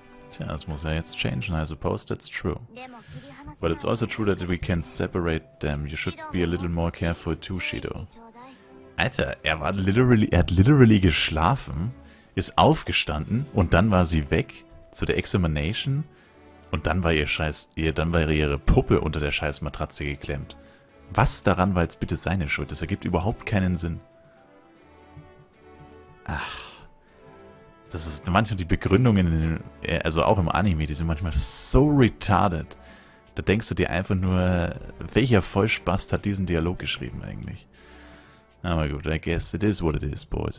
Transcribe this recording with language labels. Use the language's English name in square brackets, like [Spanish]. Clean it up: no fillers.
[German] Tja, das muss ja jetzt changen, [English] I suppose that's true. But it's also true that we can separate them. You should be a little more careful too, Shido. [German] Alter, er hat literally geschlafen, ist aufgestanden und dann war sie weg zu der Examination und dann war ihre Puppe unter der scheiß Matratze geklemmt. Was daran war jetzt bitte seine Schuld? Das ergibt überhaupt keinen Sinn. Ach. Das ist manchmal die Begründungen, also auch im Anime, die sind manchmal so retarded. Da denkst du dir einfach nur, welcher Vollspast hat diesen Dialog geschrieben eigentlich? Aber gut, [English] I guess it is what it is, boys.